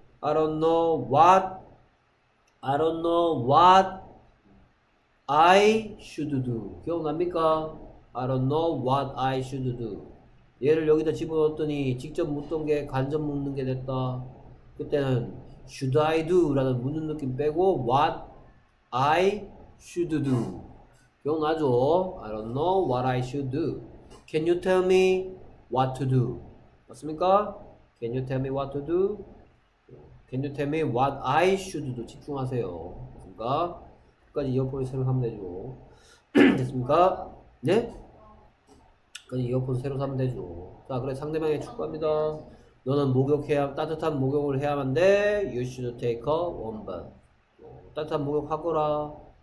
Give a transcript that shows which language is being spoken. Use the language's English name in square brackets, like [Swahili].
[English] I don't know what I don't know what I should do. [Korean] 기억납니까? [English] I don't know what I should do. [Korean] 얘를 여기다 집어넣었더니 직접 묻던 게 간접 묻는 게 됐다. 그때는 [English] should I do? [Korean] 라는 묻는 느낌 빼고 [English] what I should do. [Korean] 기억나죠? [English] I don't know what I should do. Can you tell me what to do? [Korean] 맞습니까? [English] Can you tell me what to do? Can you tell me what I should do? [Korean] 집중하세요. 맞습니까? 끝까지 이어폰을 새로 사면 되죠. 됐습니까? 네? 이어폰 새로 사면 되죠. 자, 그래 상대방에게 축구합니다. 너는 목욕해야 따뜻한 목욕을 해야만 돼. [English] You should take a warm bath. [Korean] 따뜻한 목욕 하거라.